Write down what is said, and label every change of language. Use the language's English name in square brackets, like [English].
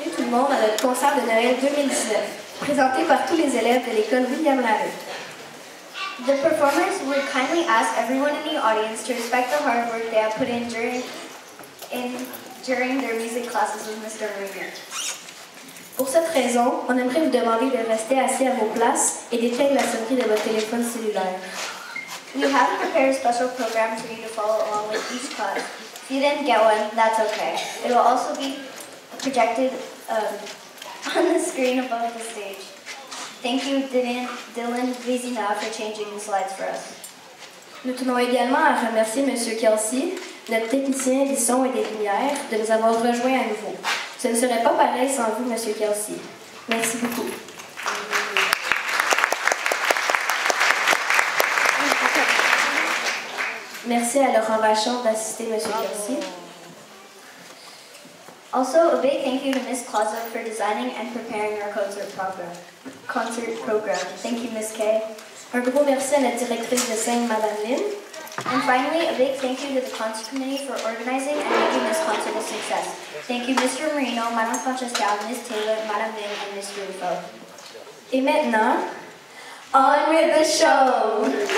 [French] monde à notre concert de Noël 2019, présenté par tous les élèves de l'école William Larue. [English] The performers would kindly ask everyone in the audience to respect the hard work they have put in during their music classes with Mr. Ringer. [French] Pour cette raison, on aimerait vous demander de rester assis à vos places et d'éteindre la sonnerie de votre téléphone cellulaire. [English] We have prepared a special program for you to follow along with each class. If you didn't get one, that's okay. It will also be projected on the screen above the stage. Thank you, Dylan Vizina, for changing the slides for us. [French] Nous tenons également à remercier Monsieur Kelsey, notre technicien des sons et des lumières, de nous avoir rejoints à nouveau. Ce ne serait pas pareil sans vous, Monsieur Kelsey. Merci beaucoup. Merci à Laurent Vachon d'assister Monsieur Kelsey. [English] Also, a big thank you to Ms. Clausa for designing and preparing our concert program. Thank you, Ms. Kay. [French] Un gros merci à la directrice de scène, Madame Lin. [English] And finally, a big thank you to the concert committee for organizing and making this concert a success. Thank you, Mr. Marino, Madame Francescal, Ms. Taylor, Madame Lin, and Ms. Rufo. [French] Et maintenant, [English] on with the show!